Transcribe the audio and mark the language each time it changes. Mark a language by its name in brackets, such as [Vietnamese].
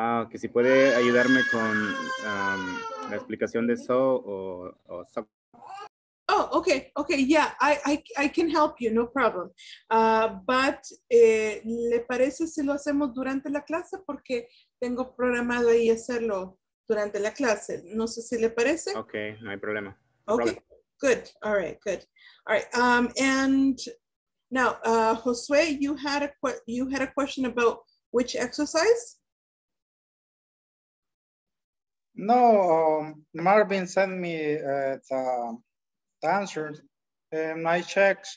[Spanish] Que si puede ayudarme con la explicación de sock o sock. [English] Oh, okay, yeah, I can help you, no problem. [Spanish] ¿Le parece si lo hacemos durante la clase? Porque tengo programado ahí hacerlo durante la clase. No sé si le parece. Okay, no hay problema. [English] Good, all right, good. All right, and now, Josue, you had a question about which exercise? No, Marvin sent me the answer.